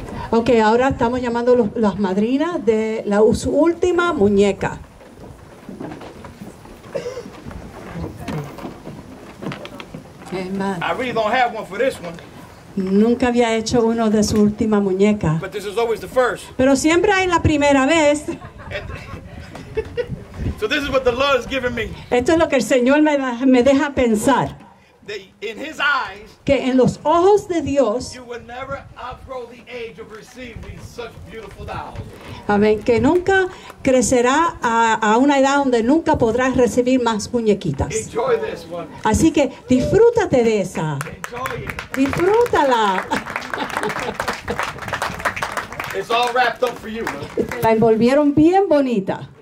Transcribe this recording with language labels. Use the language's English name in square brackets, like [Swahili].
[Spanish] Ok, ahora estamos llamando las madrinas de la última muñeca. [English] I really don't have one for this one. [Spanish] Nunca había hecho uno de su última muñeca. [English] But this is always the first. [Spanish] Pero siempre hay la primera vez. [English] So this is what the Lord has given me. [Spanish] Esto es lo que el Señor me deja pensar. [English] In his eyes, [Spanish] que en los ojos de Dios, [English] you will never outgrow the age of receiving such beautiful dolls. [Spanish] Amén. Que nunca crecerá a una edad donde nunca podrás recibir más muñequitas. [English] Enjoy this one. [Spanish] Así que disfrútate de esa. [English] Enjoy it. [Spanish] Disfrútala. [English] It's all wrapped up for you. [Spanish] La envolvieron bien bonita.